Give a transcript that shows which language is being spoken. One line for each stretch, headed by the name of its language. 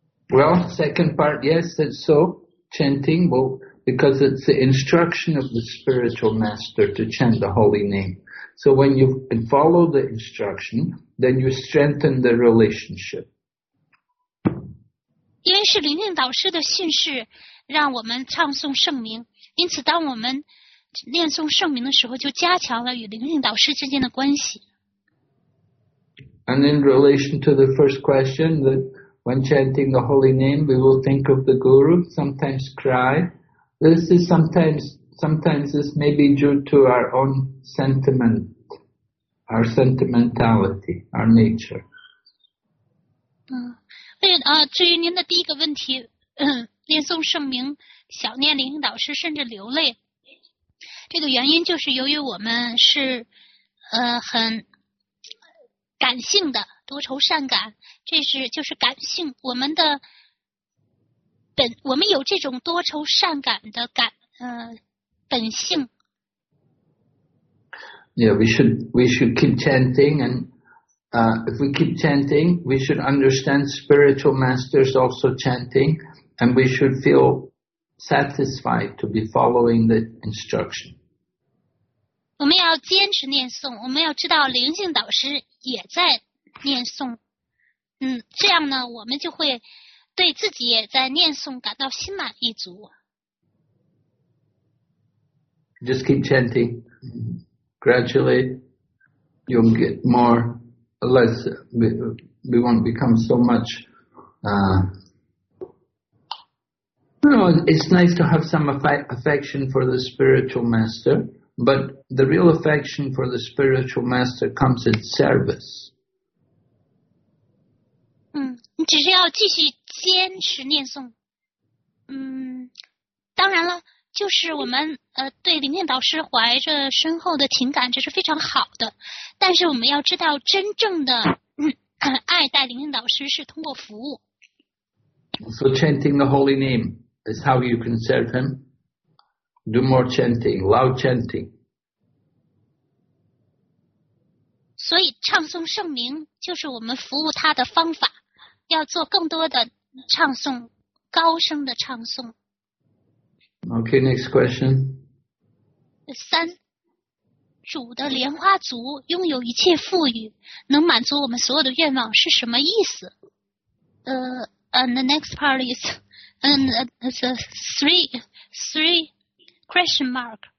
English: Well, second part, yes, it's so. Chanting, well, because it's the instruction of the spiritual master to chant the holy name. So when you follow the instruction, then you strengthen the relationship.
Chinese: 因为是灵应导师的训示，让我们唱诵圣名。因此，当我们念诵圣名的时候，就加强了与灵应导师之间的关系。
English: And in relation to the first question, that when chanting the holy name, we will think of the guru, sometimes cry. This is sometimes this may be due to our own sentiment, our sentimentality, our nature.
Chinese: 至于您的第一个问题，念诵圣名，想念灵应导师，甚至流泪，这个原因就是由于我们是很感性的，多愁善感，这是就是感性，我们的本，我们有这种多愁善感的感本性。
English: Yeah, we should keep chanting and. If we keep chanting, we should understand spiritual masters also chanting, and we should feel satisfied to be following the instruction.
Chinese: 我们要坚持念诵，我们要知道灵性导师也在念诵。这样呢，我们就会对自己也在念诵感到心满意足。
English: Just keep chanting. Gradually, you'll get more. Unless we won't become so much, it's nice to have some affection for the spiritual master, but the real affection for the spiritual master comes in service.
Chinese: 你只是要继续坚持念诵。当然了，就是我们对灵应导师怀着深厚的情感，这是非常好的。但是我们要知道，真正的爱戴灵应导师是通过服务。
English: So chanting the holy name is how you can serve him. Do more chanting, loud chanting.
Chinese: 所以唱诵圣名就是我们服务他的方法，要做更多的唱诵，高声的唱诵。
English: Okay, next question.
Chinese: 三，主的莲花足拥有一切富裕，能满足我们所有的愿望是什么意思？
English: And the next part is, three question mark.